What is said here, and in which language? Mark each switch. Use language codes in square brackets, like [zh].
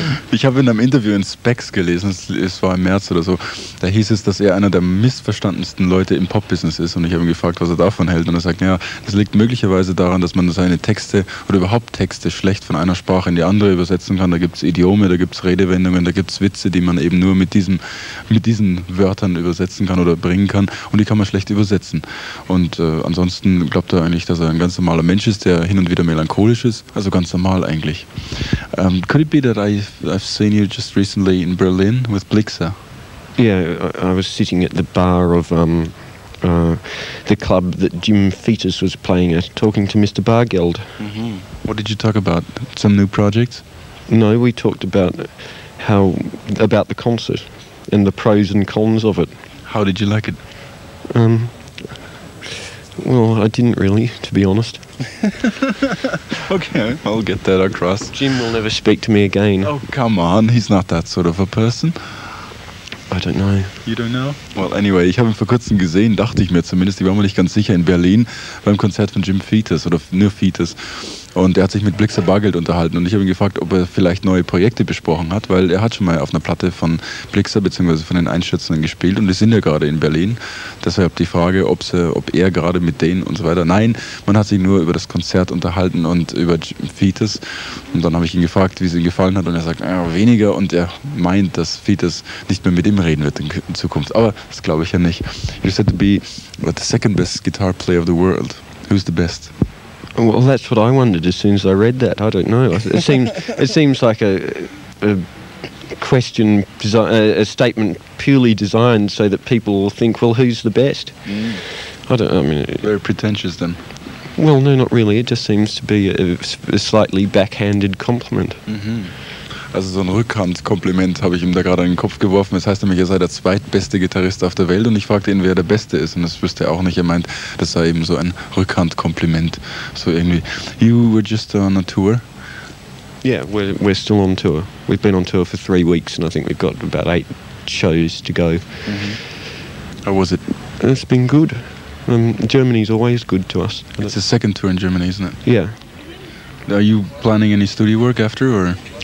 [de] Ich habe in einem Interview in Specs gelesen, es war im März oder so, da hieß es, dass er einer der missverstandensten Leute im Pop-Business ist, und ich habe ihn gefragt, was er davon hält, und er sagt, ja, das liegt möglicherweise daran, dass man seine Texte oder überhaupt Texte schlecht von einer Sprache in die andere übersetzen kann. Da gibt es Idiome, da gibt es Redewendungen, da gibt es Witze, die man eben nur mit diesen Wörtern übersetzen kann oder bringen kann, und die kann man schlecht übersetzen. Und ansonsten glaubt er eigentlich, dass er ein ganz normaler Mensch ist, der hin und wieder melancholisch ist, also ganz normal eigentlich. [en] Could it be that I've seen you just recently in Berlin with Blixer? Yeah, I was sitting at the bar of the club that Jim Fetus was playing at, talking to Mr. Bargeld. Mm-hmm. What did you talk about? Some new projects? No, we talked about the concert and the pros and cons of it. How did you like it? Well, I didn't really, to be honest. Okay, I'll get that across. Jim will never speak to me again. Oh, come on, he's not that sort of a person. I don't know. You don't know? Well, anyway, [de] ich habe ihn vor kurzem gesehen, dachte ich mir zumindest, ich war mir nicht ganz sicher, in Berlin, beim Konzert von Jim Fetus, oder nur Fetus. Und er hat sich mit Blixer Bargeld unterhalten, und ich habe ihn gefragt, ob er vielleicht neue Projekte besprochen hat, weil er hat schon mal auf einer Platte von Blixer bzw. von den Einschätzenden gespielt, und die sind ja gerade in Berlin. Deshalb die Frage, ob er gerade mit denen und so weiter. Nein, man hat sich nur über das Konzert unterhalten und über Fetus, und dann habe ich ihn gefragt, wie es ihm gefallen hat, und er sagt, weniger, und er meint, dass Fetus nicht mehr mit ihm reden wird in Zukunft. Aber das glaube ich ja nicht. [en] You said to be the second best guitar player of the world. Who's the best? Well, that's what I wondered as soon as I read that. I don't know. It seems like a question, a statement purely designed so that people will think, well, who's the best? Mm. Very pretentious, then. Well, no, not really. It just seems to be a slightly backhanded compliment. Mm-hmm. [de] Also so ein Rückhandkompliment habe ich ihm da gerade in den Kopf geworfen. Das heißt nämlich, er sei der zweitbeste Gitarrist auf der Welt, und ich fragte ihn, wer der Beste ist, und das wüsste er auch nicht. Er meint, das sei eben so ein Rückhandkompliment, so irgendwie. [en] You were just on a tour? Yeah, we're still on tour. We've been on tour for 3 weeks, and I think we've got about 8 shows to go. Mm-hmm. How was it? It's been good. Germany's always good to us. It's the second tour in Germany, isn't it? Yeah. Are you planning any studio work after, or?